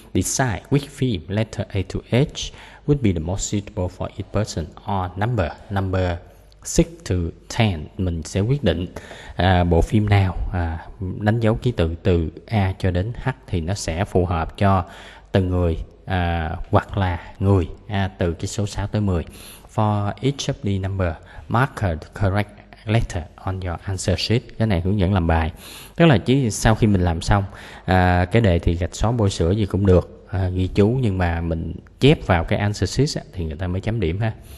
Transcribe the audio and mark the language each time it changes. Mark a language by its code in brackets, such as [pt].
[en] Decide which film letter A to H would be the most suitable for each person or number 6 to 10, [vi] mình sẽ quyết định bộ phim nào đánh dấu ký tự từ A cho đến H thì nó sẽ phù hợp cho từng người, hoặc là người từ cái số 6 tới 10. [en] For each of the number, mark the correct letter on your answer sheet. [vi] Cái này hướng dẫn làm bài, tức là chỉ sau khi mình làm xong cái đề thì gạch xóa bôi sữa gì cũng được, ghi chú, nhưng mà mình chép vào cái answer sheet thì người ta mới chấm điểm ha.